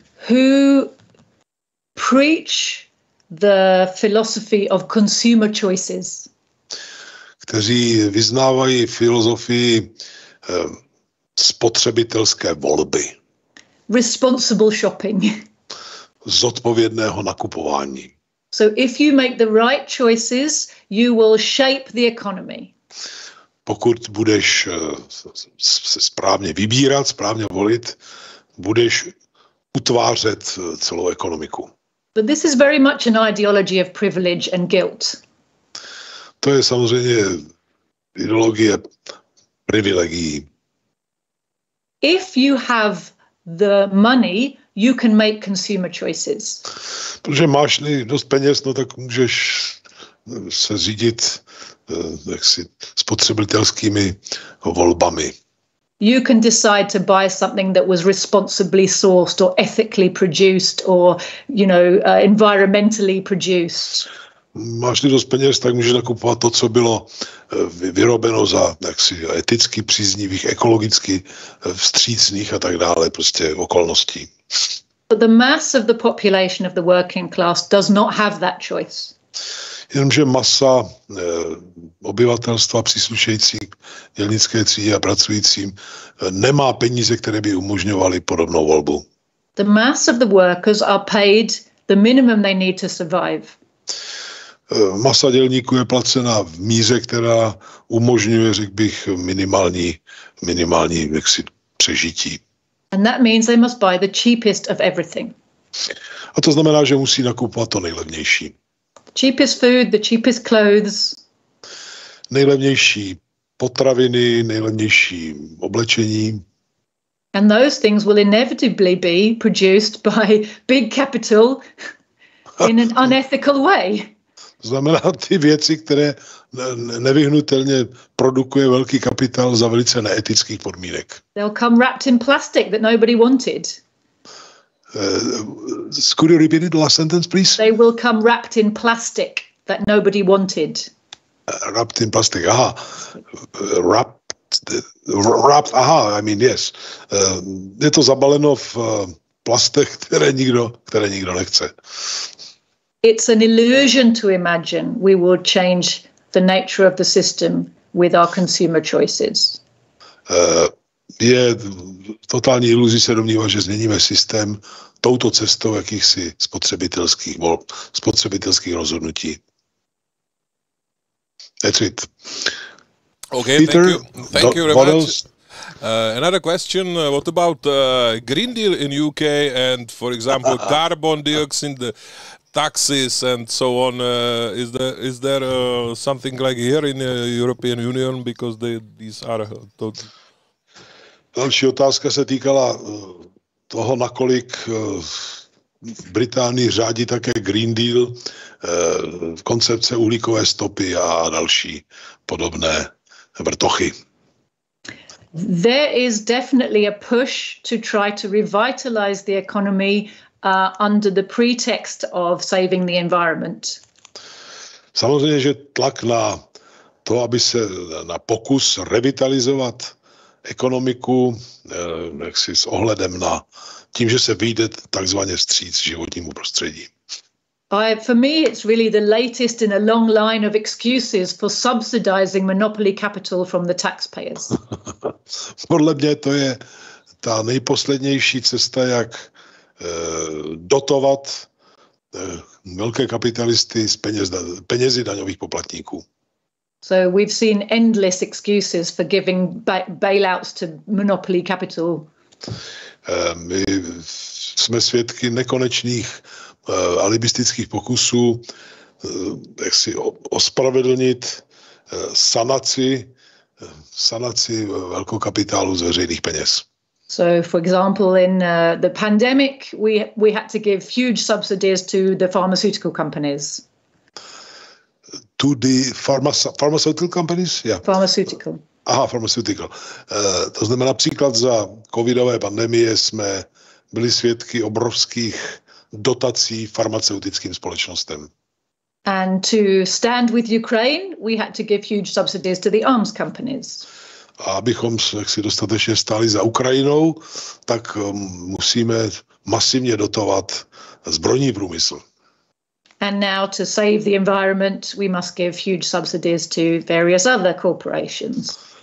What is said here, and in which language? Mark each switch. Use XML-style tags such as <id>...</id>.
<en>Who preach the philosophy of consumer choices.</en> <cs>Kteří vyznávají filozofii spotřebitelské volby.</cs> <en>Responsible shopping.</en> <cs>Zodpovědného nakupování.</cs> <en>So if you make the right choices, you will shape the economy.</en> <cs>Pokud budeš správně vybírat, správně volit, budeš utvářet celou ekonomiku.</cs> <en>But this is very much an ideology of privilege and guilt.</en> <cs>To je samozřejmě ideologie privilegií.</cs> <en>If you have the money, you can make consumer choices.</en> <cs>Protože máš-li dost peněz, no tak můžeš se řídit jaksi spotřebitelskými volbami.</cs> <en>You can decide to buy something that was responsibly sourced or ethically produced or, you know, environmentally produced.</en> <cs>Máš-li dost peněz, tak můžeš nakupovat to, co bylo vyrobeno za jaksi eticky příznivých, ekologicky vstřícných a tak dále, prostě okolností.</cs> <en>But the mass of the population of the working class does not have that choice.</en> <cs>Jenomže masa obyvatelstva příslušející k dělnické třídě a pracujícím nemá peníze, které by umožňovaly podobnou volbu.</cs> <en>The mass of the workers are paid the minimum they need to survive.</en> <cs>Masa dělníků je placena v míře, která umožňuje, řekl bych, minimální jaksi přežití.</cs> <en>And that means they must buy the cheapest of everything.</en> <cs>A to znamená, že musí nakupovat to nejlevnější.</cs> <en>Cheapest food, the cheapest clothes.</en> <cs>Nejlevnější potraviny, nejlevnější oblečení.</cs> <en>And those things will inevitably be produced by big capital in an unethical way.</en> <cs>Znamená ty věci, které nevyhnutelně produkuje velký kapitál za velice neetických podmínek.</cs> <en>They'll come wrapped in plastic that nobody wanted. Could you repeat the last sentence, please? They will come wrapped in plastic that nobody wanted. Wrapped in plastic, aha. Wrapped, yes.</en> <cs>Je to zabaleno v plastech, které nikdo nechce.</cs> <en>It's an illusion to imagine we will change the nature of the system with our consumer choices.</en> <cs>je totální iluzí se domnívat, že změníme systém touto cestou jakýchsi spotřebitelských volb, spotřebitelských rozhodnutí.</cs> <en>That's it. Okay, Peter, thank you very much. Another question, what about Green Deal in UK and, for example, carbon dioxide taxes and so on? Is there something like here in the European Union, because these are...</en> <cs>Další otázka se týkala toho, nakolik Británii řádí také Green Deal, koncepce uhlíkové stopy a další podobné vrtochy.</cs> <en>There is definitely a push to try to revitalize the economy under the pretext of saving the environment.</en> <cs>Samozřejmě, že tlak na to, aby se na pokus revitalizovat ekonomiku, jaksi s ohledem na tím, že se vyjde takzvaně vstříc životnímu prostředí.</cs> <en>For me, it's really the latest in a long line of excuses for subsidizing monopoly capital from the taxpayers.</en> <cs>Podle mě to je ta nejposlednější cesta, jak dotovat velké kapitalisty z penězi daňových poplatníků.</cs> <en>So we've seen endless excuses for giving bailouts to monopoly capital.</en> <cs>My jsme svědky nekonečných alibistických pokusů, jak si ospravedlnit sanaci velkokapitálu z veřejných peněz.</cs> <en>So for example in the pandemic we had to give huge subsidies to the pharmaceutical companies. To the pharmaceutical companies? Yeah. Pharmaceutical. Aha, pharmaceutical.</en> <cs>To znamená, například za covidové pandemie jsme byli svědky obrovských dotací farmaceutickým společnostem.</cs> <en>And to stand with Ukraine, we had to give huge subsidies to the arms companies.</en> <cs>A abychom si dostatečně stáli za Ukrajinou, tak musíme masivně dotovat zbrojní průmysl.</cs> <en>And now to save the environment, we must give huge subsidies to various other corporations.</en>